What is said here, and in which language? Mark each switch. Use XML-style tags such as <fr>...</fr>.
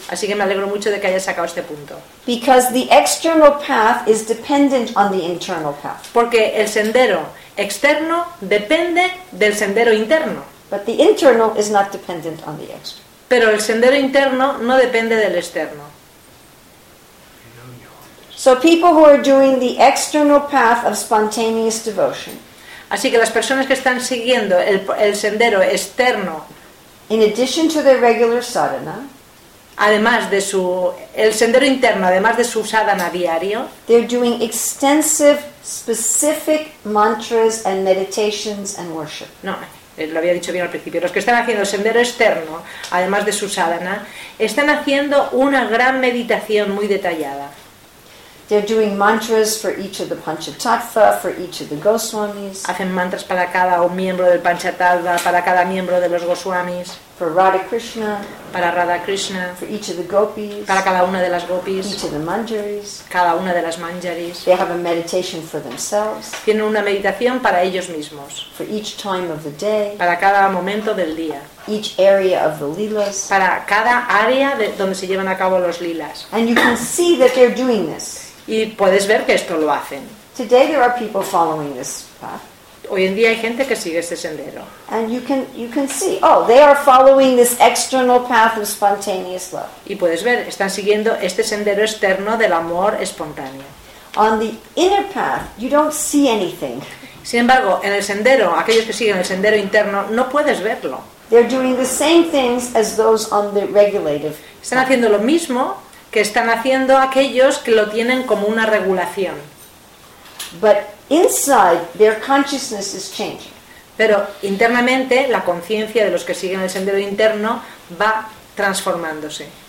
<es>Así que me alegro mucho de que hayas sacado este punto.</es> <en>Because the external path is dependent on the internal path.</en> <es>Porque el sendero externo depende del sendero interno.</es> <en>But the internal is not dependent on the external.</en> <es>Pero el sendero interno no depende del externo.</es> <en>So people who are doing the external path of spontaneous devotion.</en> <es>Así que las personas que están siguiendo el sendero externo,</es> <en>in addition to their regular sadhana,</en> <es>además de su el sendero interno, además de su sadhana diario,</es> <en>they're doing extensive specific mantras and meditations and worship.</en> <es>No, lo había dicho bien al principio. Los que están haciendo el sendero externo, además de su sadhana, están haciendo una gran meditación muy detallada.</es> <en>They're doing mantras for each of the Panchatattva, for each of the Goswamis.</en> <es>Hacen mantras para cada un miembro del Panchatattva, para cada miembro de los Goswamis.</es> <en>For Radha Krishna.</en> <es>Para Radha Krishna.</es> <en>For each of the Gopis.</en> <es>Para cada una de las Gopis.</es> <en>Each of the Manjaris.</en> <es>Cada una de las Manjaris.</es> <en>They have a meditation for themselves.</en> <es>Tienen una meditación para ellos mismos.</es> <en>For each time of the day.</en> <es>Para cada momento del día.</es> <en>Each area of the lilas.</en> <es>Para cada área donde se llevan a cabo los lilas.</es> <en>And you can see that they're doing this.</en> <es>Y puedes ver que esto lo hacen.</es> <en>Today there are people following this path.</en> <es>Hoy en día hay gente que sigue este sendero.</es> <en>And you can see, oh, they are following this external path of spontaneous love.</en> <es>Y puedes ver, están siguiendo este sendero externo del amor espontáneo.</es> <en>On the inner path, you don't see anything.</en> <es>Sin embargo, en el sendero, aquellos que siguen el sendero interno, no puedes verlo.</es> <en>They're doing the same things as those on the regulative.</en> <es>Están haciendo lo mismo que están haciendo aquellos que lo tienen como una regulación.</es> <en>But inside, their consciousness is changing.</en> <es>Pero internamente, la conciencia de los que siguen el sendero interno va transformándose.</es>